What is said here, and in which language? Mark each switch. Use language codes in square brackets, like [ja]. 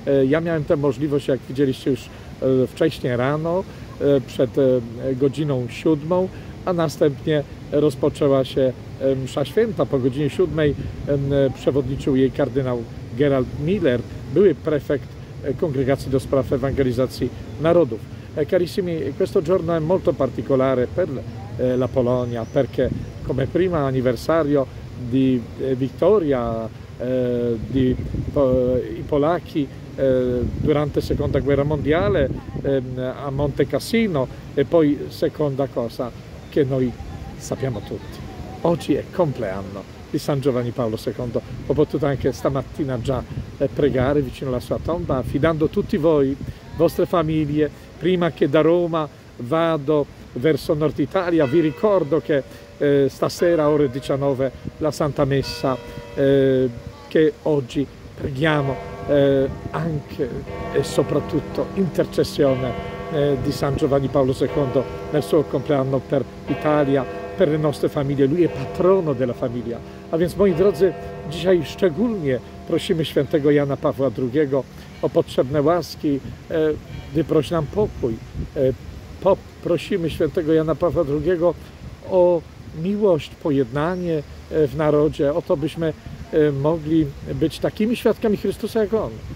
[pl] Ja miałem tę możliwość, jak widzieliście już wcześniej rano, przed godziną 7, a następnie rozpoczęła się msza święta. Po godzinie 7 przewodniczył jej kardynał Gerald Miller, były prefekt Kongregacji do spraw Ewangelizacji Narodów. [it] Carissimi, questo giorno è molto particolare per la Polonia, perché come prima anniversario di vittoria di i Polacchi durante Seconda Guerra Mondiale a Monte Cassino, e poi seconda cosa che noi sappiamo tutti. Oggi è compleanno di San Giovanni Paolo II. Ho potuto anche stamattina già pregare vicino alla sua tomba, affidando tutti voi, vostre famiglie, prima che da Roma vado verso Nord Italia. Vi ricordo che stasera, ore 19, la Santa Messa, che oggi preghiamo anche e soprattutto intercessione di San Giovanni Paolo II nel suo compleanno per l'Italia, per le nostre famiglie. Lui è patrono della famiglia. [pl] A więc, moi drodzy, dzisiaj szczególnie prosimy świętego Jana Pawła II o potrzebne łaski, wyproś nam pokój. Prosimy świętego Jana Pawła II o miłość, pojednanie w narodzie, o to, byśmy mogli być takimi świadkami Chrystusa jak On.